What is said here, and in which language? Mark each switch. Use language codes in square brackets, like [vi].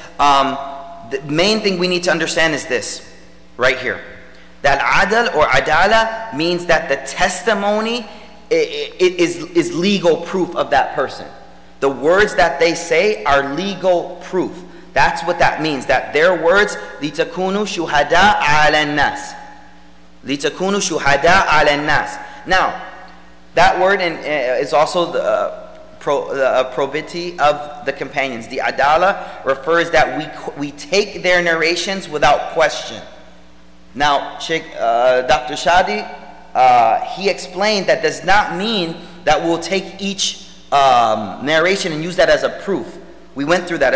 [en] The main thing we need to understand is this, right here. That adal or adala means that the testimony is legal proof of that person. The words that they say are legal proof. That's what that means. That their words, [ar] لِتَكُونُوا شُهَدَاءَ عَلَى النَّاسِ. لِتَكُونُوا شُهَدَاءَ عَلَى النَّاسِ. [en] Now, that word is also the probity of the companions. The adala refers that we take their narrations without question. Now, Sheikh Dr. Shadee, he explained that does not mean that we'll take each narration and use that as a proof. We went through that.